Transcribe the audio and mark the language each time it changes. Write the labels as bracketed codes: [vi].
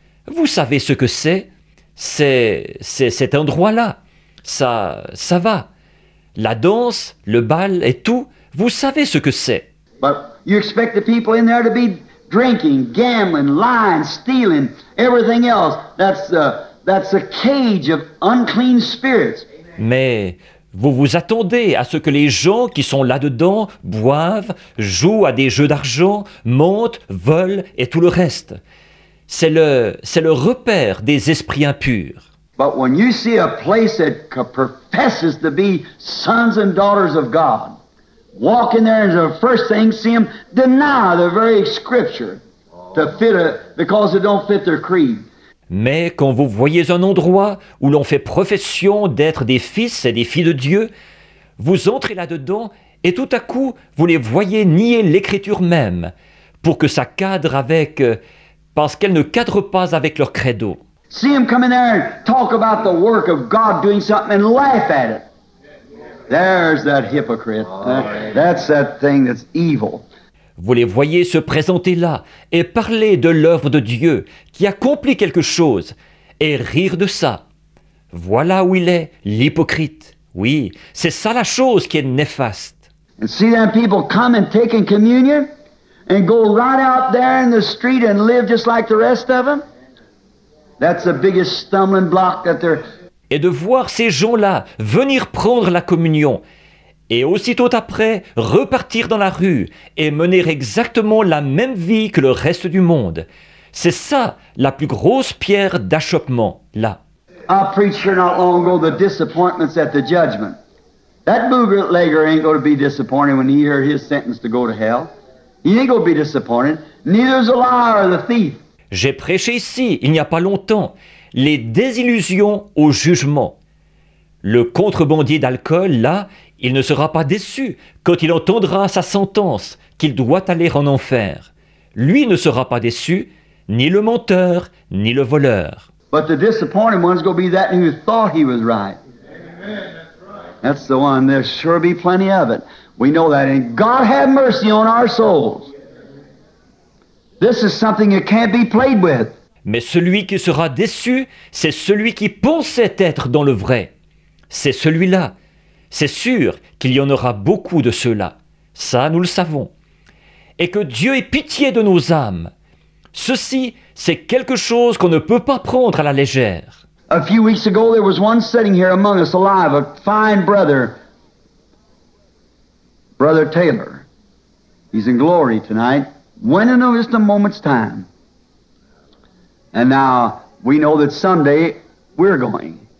[fr] Vous savez ce que c'est? C'est cet endroit-là. Ça va. La danse, le bal et tout, vous savez ce que c'est. [en] But you expect the people in there to be drinking, gambling, lying, stealing, everything else. That's a cage of unclean spirits. [fr] Mais vous vous attendez à ce que les gens qui sont là-dedans boivent, jouent à des jeux d'argent, montent, volent et tout le reste. C'est le repère des esprits impurs. [en] But when you see a place that professes to be sons and daughters of God, walk in there and the first thing see them deny the very scripture to fit it because it don't fit their creed. [fr] Mais quand vous voyez un endroit où l'on fait profession d'être des fils et des filles de Dieu, vous entrez là-dedans et tout à coup, vous les voyez nier l'Écriture même pour que ça cadre avec, parce qu'elles ne cadrent pas avec leur credo. [en] See them come in there and talk about the work of God doing something and laugh at it. There's that hypocrite. That's that thing that's evil. [fr] Vous les voyez se présenter là et parler de l'œuvre de Dieu qui accomplit quelque chose et rire de ça. Voilà où il est, l'hypocrite. Oui, c'est ça la chose qui est néfaste. [en] And see them people come and take in communion and go right out there in the street and live just like the rest of them? That's the biggest stumbling block that they're... [fr] Et de voir ces gens-là venir prendre la communion et aussitôt après, repartir dans la rue et mener exactement la même vie que le reste du monde. C'est ça, la plus grosse pierre d'achoppement, là. [en] I preached here not long ago the disappointments at the judgment. That bootlegger ain't going to be disappointed when he hears his sentence to go to hell. He ain't going to be disappointed. Neither is the liar or the thief. [fr] J'ai prêché ici, il n'y a pas longtemps, les désillusions au jugement. Le contrebandier d'alcool, là, il ne sera pas déçu quand il entendra sa sentence qu'il doit aller en enfer. Lui ne sera pas déçu, ni le menteur, ni le voleur. [en] But the disappointed one's going to be that who thought he was right. Amen, that's right. That's the one. There sure be plenty of it. We know that. And God have mercy on our souls. This is something that can't be played with. [fr] Mais celui qui sera déçu, c'est celui qui pensait être dans le vrai. C'est celui-là. C'est sûr qu'il y en aura beaucoup de ceux-là. Ça, nous le savons. Et que Dieu ait pitié de nos âmes. Ceci, c'est quelque chose qu'on ne peut pas prendre à la légère. [en] A few weeks ago, there was one sitting here among us alive, a fine brother, Brother Taylor. He's in glory tonight. When in just a moment's time. And now, we know that someday, we're going.